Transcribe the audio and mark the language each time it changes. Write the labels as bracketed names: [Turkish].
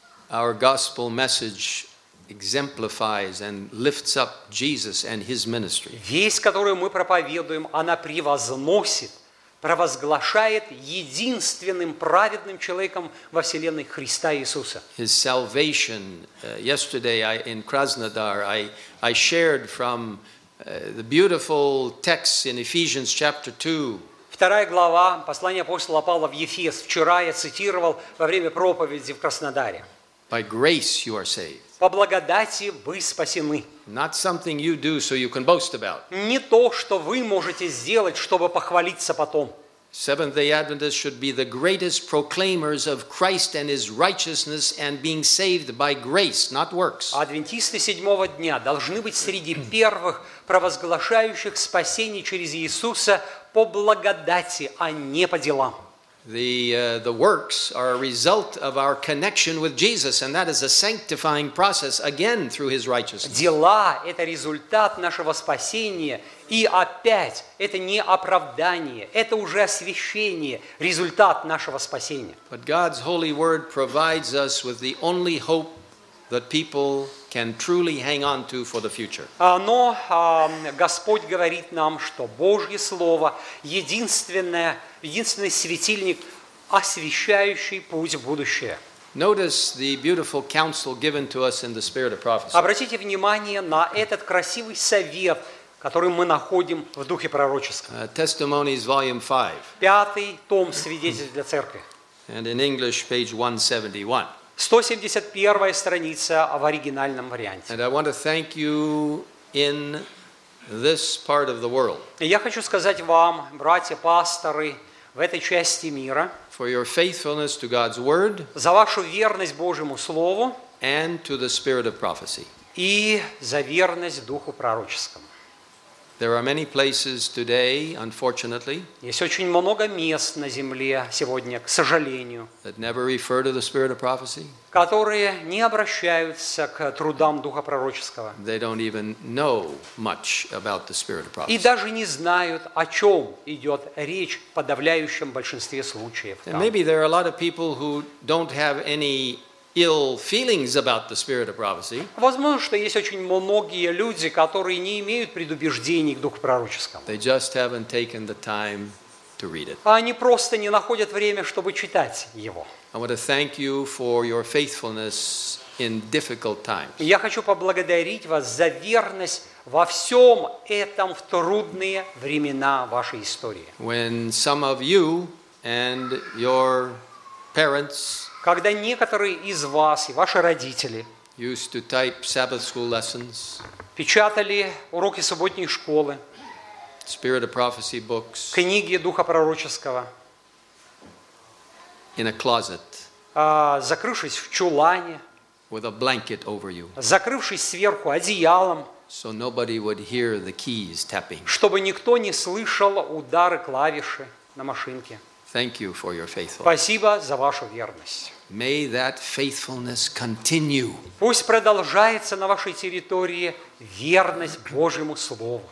[English] Our gospel message exemplifies and lifts up Jesus and His ministry. [Russian] Весть, которую мы проповедуем, она превозносит, провозглашает единственным праведным человеком во вселенной Христа Иисуса. [English] His salvation. Yesterday in Krasnodar, I shared from the beautiful text in Ephesians chapter 2. [Russian] Вторая глава послания апостола Павла в Ефес. Вчера я цитировал во время проповеди в Краснодаре. [English] By grace you are saved. [Russian] По благодати вы спасены. [English] Not something you do so you can boast about. [Russian] Не то, что вы можете сделать, чтобы похвалиться потом. [English] Seventh-day Adventists should be the greatest proclaimers of Christ and His righteousness and being saved by grace, not works. [Russian] Адвентисты седьмого дня должны быть среди первых, провозглашающих спасение через Иисуса по благодати, а не по делам. [English] The works are a result of our connection with Jesus, and that is a sanctifying process again through His righteousness. [Russian] Дела – это результат нашего спасения, и опять это не оправдание, это уже освящение, результат нашего спасения. [English] But God's holy word provides us with the only hope that people can truly hang on to for the future. [Russian] Но Господь говорит нам, что Божье слово единственный светильник, освещающий путь в будущее. [English] Notice the beautiful counsel given to us in the spirit of prophecy. [Russian] Обратите внимание на этот красивый совет, который мы находим в духе пророческом. [English] Testimonies volume 5. [Russian] Пятый том свидетельств для церкви. [English] And in English page 171. [Russian] 171 страница в оригинальном варианте. [English] And I want to thank you in this part of the world. [Russian] И я хочу сказать вам, братья пасторы, в этой части мира, [English] for your faithfulness to God's word, [Russian] за вашу верность Божьему слову, [English] and to the spirit of prophecy. [Russian] И за верность духу пророческому. [English] There are many places today, unfortunately. [Russian] Есть очень много мест на земле сегодня, к сожалению. [English] That never refer to the spirit of prophecy. [Russian] Которые не обращаются к трудам духа пророческого. [English] They don't even know much about the spirit of prophecy. [Russian] И даже не знают, о чём идёт речь в подавляющем большинстве случаев. [English] And maybe there are a lot of people who don't have any ill feelings about the spirit of prophecy. [Russian] Возможно, что есть очень многие люди, которые не имеют предубеждений к духу пророческому. [English] They just haven't taken the time to read it. [Russian] Они просто не находят время, чтобы читать его. [English] I want to thank you for your faithfulness in difficult times. [Russian] Я хочу поблагодарить вас за верность во всём этом в трудные времена вашей истории. [English] When some of you and your parents, [Russian] когда некоторые из вас и ваши родители [English] used to type Sabbath school lessons, [Russian] печатали уроки субботней школы, [English] spirit of prophecy books, [Russian] книги духа пророческого, [English] in a closet, [Russian] закрывшись в чулане, [English] with a blanket over you, [Russian] закрывшись сверху одеялом, [English] so nobody would hear the keys tapping, [Russian] чтобы никто не слышал удары клавиши на машинке. [English] Thank you for your faithfulness. [Russian] Спасибо за вашу верность. [English] May that faithfulness continue. [Russian] Пусть продолжается на вашей территории верность Божьему слову.